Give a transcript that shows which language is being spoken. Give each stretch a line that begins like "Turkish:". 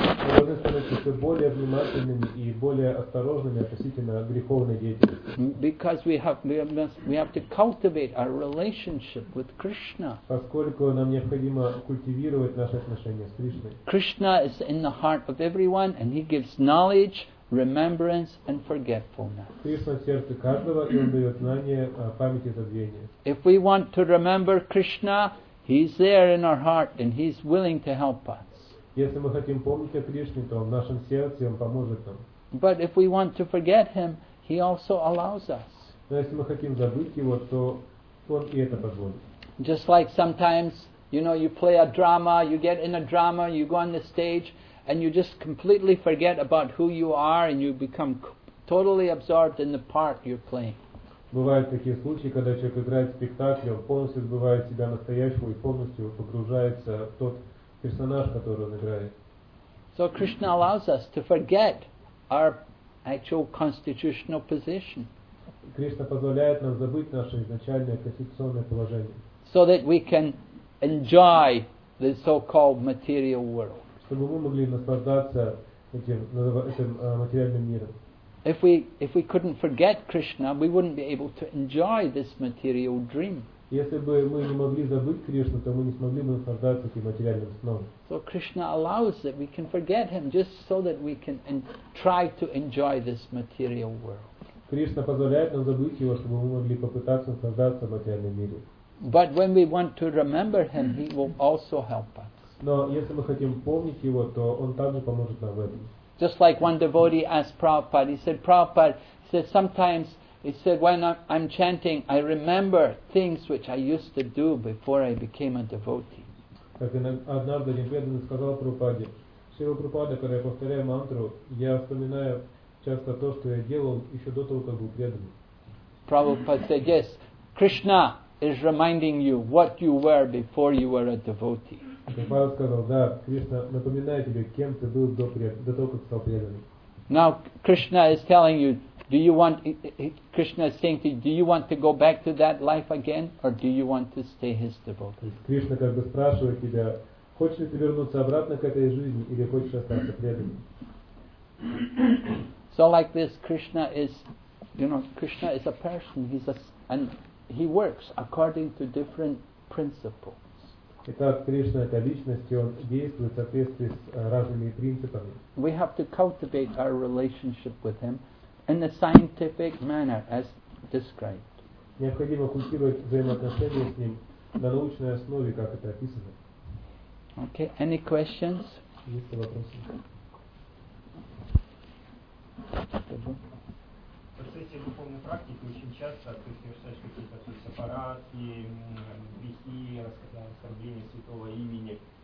Russian: Мы должны становиться все более внимательными и более осторожными относительно греховной деятельности.
English: Because we have to cultivate our relationship with Krishna.
Russian: Поскольку нам необходимо культивировать наши отношения с Кришной.
English: Krishna is in the heart of everyone, and he gives knowledge, remembrance, and forgetfulness.
Russian: Кришна в сердце каждого, и он дает знания, память и забвение.
English: If we want to remember Krishna, He's there in our heart and He's willing to help us.
Russian: Если мы хотим помнить о Кришне, то в нашем сердце Он поможет нам.
English: But if we want to forget Him, He also allows us.
Russian: Но если мы хотим забыть Его, то Он и это позволит.
English: Just like sometimes, you know, you play a drama, you get in a drama, you go on the stage and you just completely forget about who you are and you become totally absorbed in the part you're playing.
Russian: Бывают такие случаи, когда человек играет в спектакле, он полностью забывает себя настоящего и полностью погружается в тот персонаж, который он играет.
English: So Krishna allows us to forget our actual constitutional position.
Russian: Кришна позволяет нам забыть наше изначальное конституционное положение.
English: So that we can enjoy the so-called material world.
Russian: Чтобы мы могли наслаждаться этим материальным миром.
English: If we couldn't forget Krishna, we wouldn't be able to enjoy this material dream.
Russian: Если бы мы не могли забыть Кришну, то мы не смогли бы наслаждаться этим материальным сном.
English: So Krishna allows that we can forget Him just so that we can try to enjoy this material world.
Russian: Кришна позволяет нам забыть Его, чтобы мы могли попытаться наслаждаться материальным миром.
English: But when we want to remember Him, He will also help us.
Russian: Но если мы хотим помнить Его, то Он также поможет нам в этом.
English: Just like one devotee asked Prabhupada, he said, Prabhupada, he said, sometimes He said, when I'm chanting, I remember things which I used to do before I became a devotee.
Russian: Как однажды один преданный сказал Прабхупаде, Шрила Прабхупада, когда я повторяю мантру, я вспоминаю часто то, что я делал еще до того, как был преданным.
English: Prabhupada said, yes, Krishna is reminding you what you were before you were a devotee.
Russian: Прабхупада сказал, да, Кришна напоминает тебе, кем ты был до того, как стал преданным.
English: Now Krishna is telling you, do you want, Krishna is saying to you, do you want to go back to that life again, or do you want to stay his devotee?
Russian: Krishna как бы спрашивает тебя, хочешь ли ты вернуться обратно к этой жизни, или хочешь остаться преданным?
English: So like this, Krishna is, you know, Krishna is a person, he's a, and he works according to different principles.
Russian: Итак, Кришна — это личность, и он действует в соответствии с разными принципами.
English: We have to cultivate our relationship with him in the scientific manner as described.
Russian: Необходимо культивировать взаимоотношения с ним на научной основе, как это описано.
English: Okay, any questions?
Russian: Есть вопросы? В процессе духовной практики очень часто ты совершаешь какие-то сепарации, грехи, оскорбления святого имени.